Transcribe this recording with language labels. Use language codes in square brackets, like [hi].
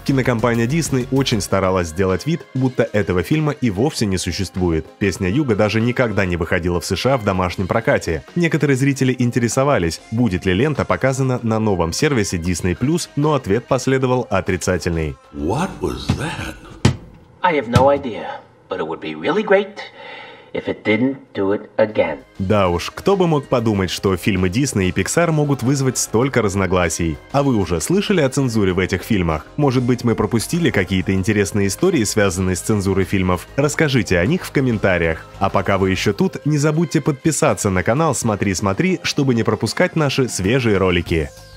[ru] Кинокомпания Disney очень старалась сделать вид, будто этого фильма и вовсе не существует. «Песня Юга» даже никогда не выходила в США в домашнем прокате. Некоторые зрители интересовались, будет ли лента показана на новом сервисе Disney+, но ответ последовал отрицательный. [en] What was that? I have no idea, but it would be really great if it didn't do it again. [ru] Да уж, кто бы мог подумать, что фильмы Disney и Pixar могут вызвать столько разногласий. А вы уже слышали о цензуре в этих фильмах? Может быть, мы пропустили какие-то интересные истории, связанные с цензурой фильмов? Расскажите о них в комментариях. А пока вы еще тут, не забудьте подписаться на канал «Смотри, смотри», чтобы не пропускать наши свежие ролики.